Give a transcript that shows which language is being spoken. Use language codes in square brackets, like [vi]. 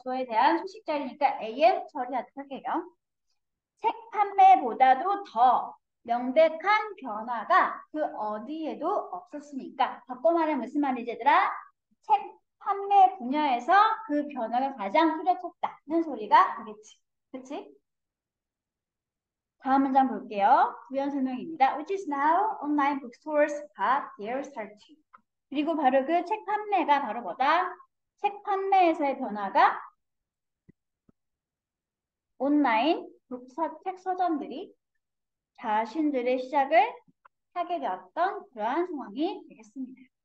[ko] 주어에 대한 수식 자리니까 am 처리하도록 할게요. 책 판매보다도 더 명백한 변화가 그 어디에도 없었으니까. 바꿔 말하면 무슨 말이지, 얘들아? 책 판매 분야에서 그 변화가 가장 뚜렷했다는 소리가 되겠지. 그치? 다음 문장 볼게요. 부연 설명입니다. [en] Which is now online bookstores got their start. [ko] 그리고 바로 그책 판매가 바로 뭐다? 책 판매에서의 변화가 온라인 책 서점들이 자신들의 시작을 하게 되었던 그러한 상황이 되겠습니다.